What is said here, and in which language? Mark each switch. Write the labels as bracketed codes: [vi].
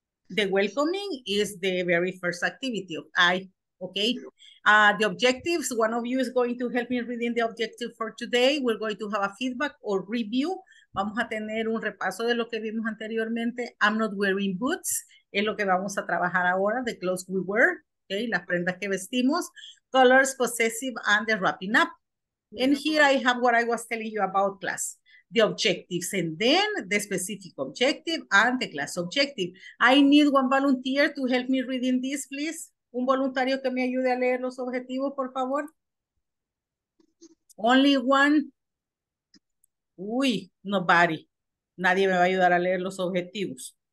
[en] The welcoming is the very first activity of I. Okay, the objectives, one of you is going to help me reading the objective for today. We're going to have a feedback or review. [es] Vamos a tener un repaso de lo que vimos anteriormente. [en] I'm not wearing boots. [es] Es lo que vamos a trabajar ahora, [en] the clothes we wear. Okay, [es] las prendas que vestimos. [en] Colors, possessive, and the wrapping up. And here I have what I was telling you about class. The objectives, and then the specific objective and the class objective. I need one volunteer to help me reading this, please. [es] Un voluntario que me ayude a leer los objetivos, por favor. [en] Only one. [es] Uy, nobody. Nadie me va a ayudar a leer los objetivos.